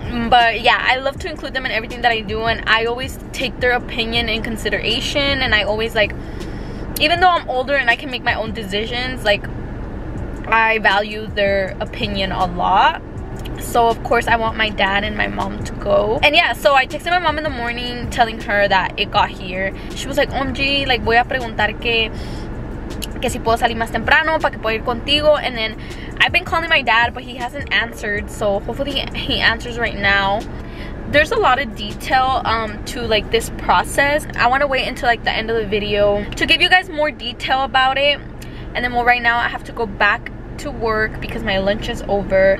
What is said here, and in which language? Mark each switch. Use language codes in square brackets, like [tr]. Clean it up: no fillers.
[en] But yeah, I love to include them in everything that I do, and I always take their opinion in consideration, and I always, like, even though I'm older and I can make my own decisions, like I value their opinion a lot. So of course I want my dad and my mom to go. And yeah, so I texted my mom in the morning telling her that it got here. She was like, OMG, like [es] voy a preguntar que si puedo salir más temprano para que pueda ir contigo. [en] And then I've been calling my dad but he hasn't answered, so hopefully he answers right now. There's a lot of detail to like this process. I want to wait until like the end of the video to give you guys more detail about it. And then, well, right now I have to go back to work because my lunch is over.